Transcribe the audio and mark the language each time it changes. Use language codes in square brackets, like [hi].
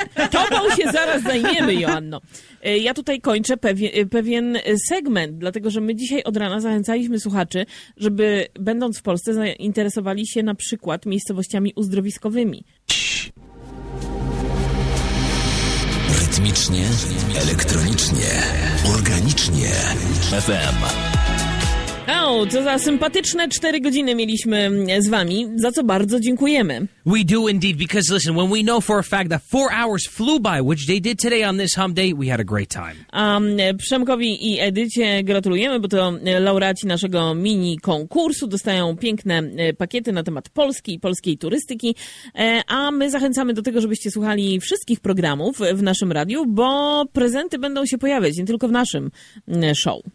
[pl] Tobą się zaraz zajmiemy, Joanno. Ja tutaj kończę pewien segment, dlatego że my dzisiaj od rana zachęcaliśmy słuchaczy, żeby będąc w Polsce zainteresowali się na przykład miejscowościami uzdrowiskowymi. Rytmicznie, elektronicznie, organicznie. FM. O, co za sympatyczne 4 godziny mieliśmy z wami, za co bardzo dziękujemy. [en] We do indeed, because listen, when we know for a fact that 4 hours flew by, which they did today on this hump day, we had a great time. [pl] Przemkowi i Edycie gratulujemy, bo to laureaci naszego mini konkursu dostają piękne pakiety na temat Polski i polskiej turystyki, a my zachęcamy do tego, żebyście słuchali wszystkich programów w naszym radiu, bo prezenty będą się pojawiać, nie tylko w naszym show.